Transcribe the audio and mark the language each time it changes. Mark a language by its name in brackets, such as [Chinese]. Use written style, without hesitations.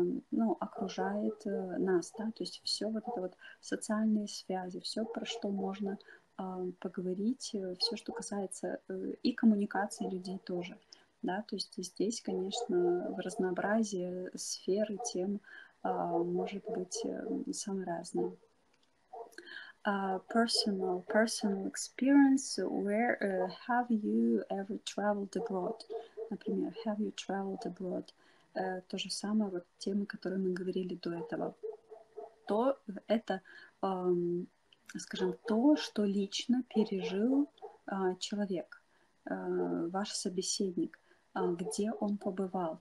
[Russian] ну, окружает нас, да, то есть все вот это вот социальные связи, все, про что можно поговорить, все, что касается и коммуникации людей тоже, да, то есть здесь, конечно, в разнообразии сфер и тем может быть самое разное. [English] Personal experience, where have you ever traveled abroad? [Russian] Например, [English] have you traveled abroad? [Russian] То же самое, вот темы, которые мы говорили до этого. То это, скажем, то, что лично пережил человек, ваш собеседник, где он побывал.